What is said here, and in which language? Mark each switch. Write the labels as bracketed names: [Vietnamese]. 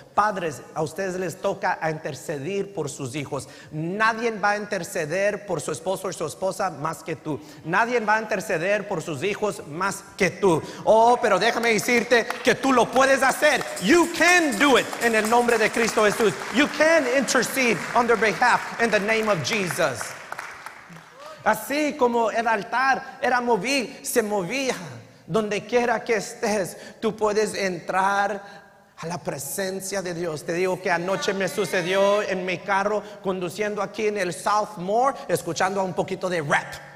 [Spanish] Padres, a ustedes les toca a interceder por sus hijos. Nadie va a interceder por su esposo y su esposa más que tú. Nadie va a interceder por sus hijos más que tú. Oh, pero déjame decirte que tú lo puedes hacer. [English] You can do it in the [Spanish] nombre de Cristo Jesús. [English] You can intercede on their behalf in the name of Jesus. [Spanish] Así como el altar era movido, se movía. Donde quiera que estés, tú puedes entrar a la presencia de Dios. Te digo que anoche me sucedió en mi carro conduciendo aquí en el Southmore, escuchando un poquito de rap.